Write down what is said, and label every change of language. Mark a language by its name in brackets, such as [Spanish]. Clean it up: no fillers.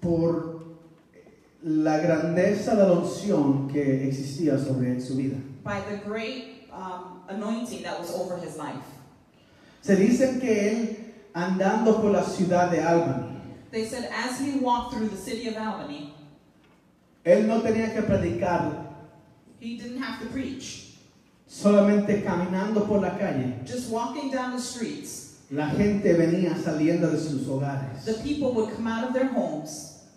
[Spanish] por la grandeza de la unción que existía sobre su vida. [English] By the great anointing that was over his life. [Spanish] Se dice que él, andando por la ciudad de Albany, [English] they said as he walked through the city of Albany, [Spanish] él no tenía que predicar. [English] He didn't have to preach. [Spanish] Solamente caminando por la calle, [English] just walking down the streets, [Spanish] la gente venía saliendo de sus hogares. [English] The people would come out of their homes